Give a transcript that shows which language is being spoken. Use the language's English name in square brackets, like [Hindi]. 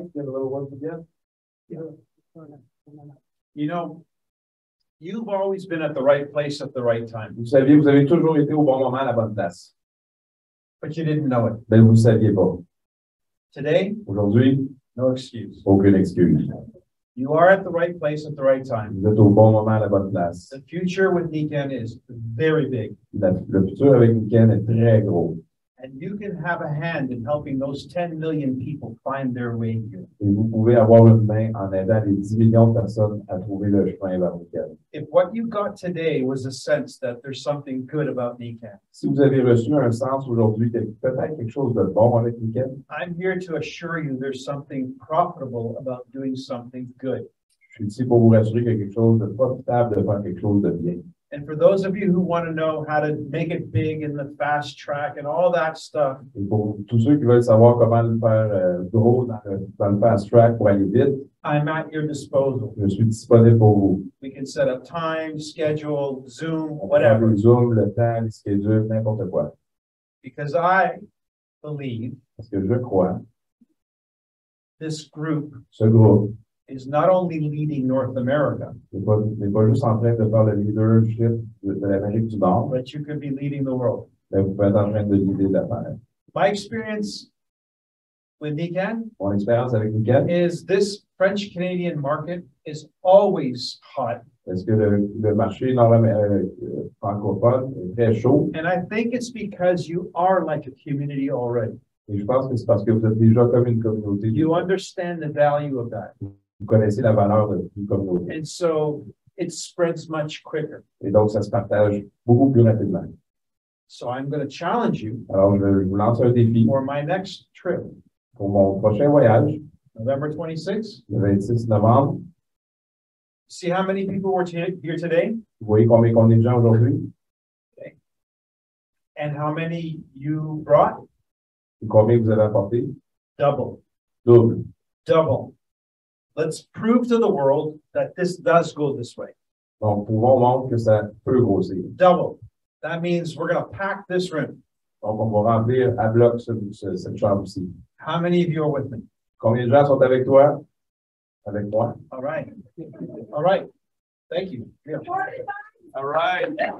[English] Do you have a little word for the end? Yeah. You know, you've always been at the right place at the right time. [French] Vous saviez, vous avez toujours été au bon moment à la bonne place. [English] But you didn't know it. [French] Mais vous saviez pas. [English] Today? [French] Aujourd'hui? [English] No excuse. [French] Aucune excuse. [English] You are at the right place at the right time. [French] Vous êtes au bon moment à la bonne place. [English] The future with Niken is very big. [French] Le futur avec Niken est très gros. [English] And you can have a hand in helping those 10 million people find their way here. [French] Et vous pouvez avoir une main en aidant les 10 millions de personnes à trouver le chemin vers Niken. [English] If what you got today was a sense that there's something good about Niken. [French] Si vous avez reçu un sens aujourd'hui que peut-être quelque chose de bon avec Niken. [English] I'm here to assure you there's something profitable about doing something good. [French] je suis ici pour vous rassurer qu'il y a quelque chose de profitable, de faire quelque chose de bien. [English] And for those of you who want to know how to make it big in the fast track and all that stuff. [French] Et pour tous ceux qui veulent savoir comment le faire gros dans le fast track pour aller vite. [English] I'm at your disposal. [French] Je suis disponible pour vous. [English] We can set up time, schedule, Zoom, whatever. [French] On peut avoir le Zoom, le temps, le schedule, n'importe quoi. [English] Because I believe. [French] Parce que je crois. [English] This group. [French] Ce groupe. [English] Is not only leading North America. [French] N'est pas juste en train de faire le leadership de l'Amérique du Nord. [English] But you could be leading the world. [French] Mais vous pouvez être en train de leader la planète. [English] My experience with Nican. [French] Mon expérience avec Nican. [English] Is this French Canadian market is always hot. [French] Est-ce que le marché nord-américain francophone est très chaud? [English] And I think it's because you are like a community already. [French] Et je pense que c'est parce que vous êtes déjà comme une communauté. [English] You understand the value of that. [French] Vous connaissez la valeur de tout comme vous. [English] And so it spreads much quicker. [French] Et donc, ça se partage beaucoup plus rapidement. [English] So I'm going to challenge you. [French] Alors, je vais vous lancer un défi. [English] For my next trip. [French] Pour mon prochain voyage. [English] November 26. [French] Le 26 novembre. [English] See how many people were here today? [French] Vous voyez combien qu'on est de gens aujourd'hui? [English] Okay. And how many you brought? [French] Et combien vous avez apporté? [English] Double. Double. Double. Let's prove to the world that this does go this way. [French] Bon, pouvons montrer que ça peut aussi. Double. [English] That means we're going to pack this room. [French] Donc, on va remplir à bloc cette chambre ici. [English] How many of you are with me? [French] Combien de gens sont avec toi? Avec moi? [English] All right. All right. Thank you. Yeah. All right.